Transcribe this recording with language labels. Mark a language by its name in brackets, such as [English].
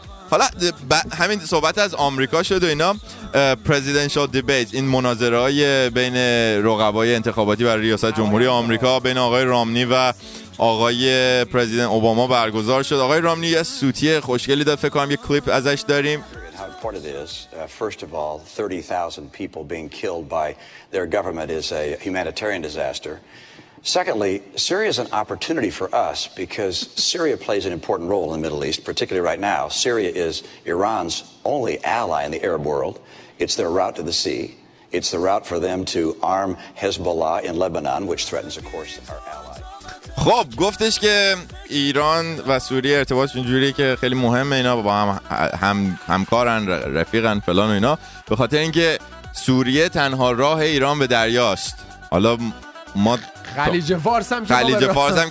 [Persian] حالا همین صحبت از آمریکا شد و اینا، پرزیدنشال دیبیت، این مناظره های بین رقبای انتخاباتی برای ریاست جمهوری آمریکا بین آقای رامنی و آقای پرزیدنت اوباما برگزار شد. آقای رامنی یه سوتی خوشگلی داد، فکر کنم یه کلیپ ازش داریم. [English] Part of this, first of all, 30,000 people being killed by their government is a humanitarian disaster. Secondly, Syria is an opportunity for us because Syria plays an important role in the Middle East, particularly right now. Syria is Iran's only ally in the Arab world. It's their route to the sea. It's the route for them to arm Hezbollah in Lebanon, which threatens, of course, our ally. [Persian] خب گفتش که ایران و سوریه ارتباط اینجوریه که خیلی مهمه، اینا با هم همکارن، رفیقن، فلان و اینا، به خاطر اینکه سوریه تنها راه ایران به دریاست. حالا ما خلیج فارس هم